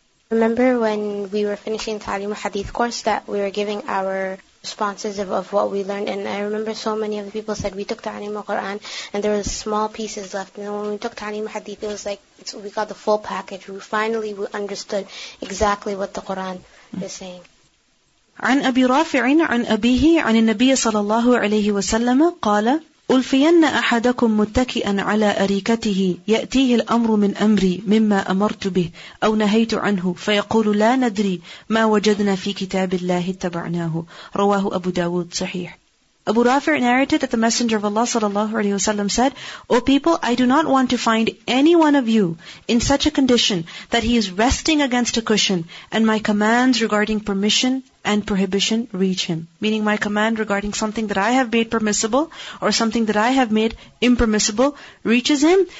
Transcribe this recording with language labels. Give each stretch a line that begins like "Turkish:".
English: Remember when we were finishing Ta'lim al-Hadith course that we were giving our responses of what we learned, and I remember so many of the people said we took Ta'lim al-Quran and there was small pieces left, and when we took Ta'lim al-Hadith it was like we got the full package. We finally understood exactly what the Quran is saying.
Arabic: عن أبي رافع عن أبيه عن النبي صلى الله عليه وسلم قال ألفين أحدكم متكئا على أريكته يأتيه الأمر من أمري مما أمرت به أو نهيت عنه فيقول لا ندري ما وجدنا في كتاب الله اتبعناه رواه أبو داود صحيح.
English: Abu Rafi' narrated that the Messenger of Allah sallallahu alayhi wa sallam said, O people, I do not want to find any one of you in such a condition that he is resting against a cushion and my commands regarding permission and prohibition reach him. Meaning my command regarding something that I have made permissible or something that I have made impermissible reaches him.